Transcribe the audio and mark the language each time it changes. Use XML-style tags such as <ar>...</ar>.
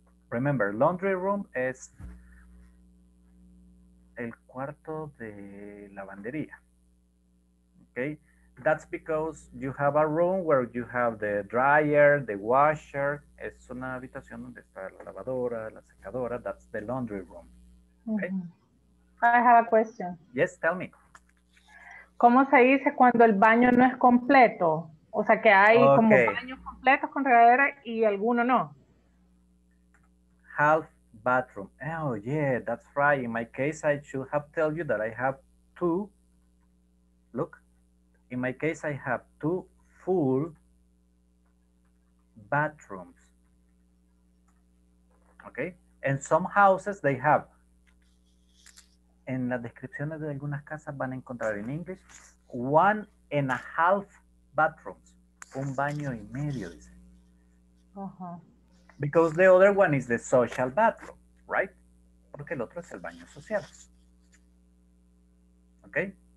<en>Remember, laundry room is</en> <es>el cuarto de lavandería.</es> <en>Okay? That's because you have a room where you have the dryer, the washer.</en> <es>Es una habitación donde está la lavadora, la secadora.</es> <en>That's the laundry room. Okay? I have a question. Yes, tell me.</en> <es>¿Cómo se dice cuando el baño no es completo? O sea, que hay como baños completos con regadera y alguno no.</es> <en>Half bathroom. Oh, yeah, that's right. In my case, I should have told you that I have two. Look. In my case, I have two full bathrooms, okay? And some houses, they have.</en> <es>En las descripciones de algunas casas van a encontrar en inglés,</es> <en>one and a half bathrooms,</en> <es>un baño y medio, dice. Uh-huh.</es> <en>Because the other one is the social bathroom, right?</en> <es>Porque el otro es el baño social, okay?</es>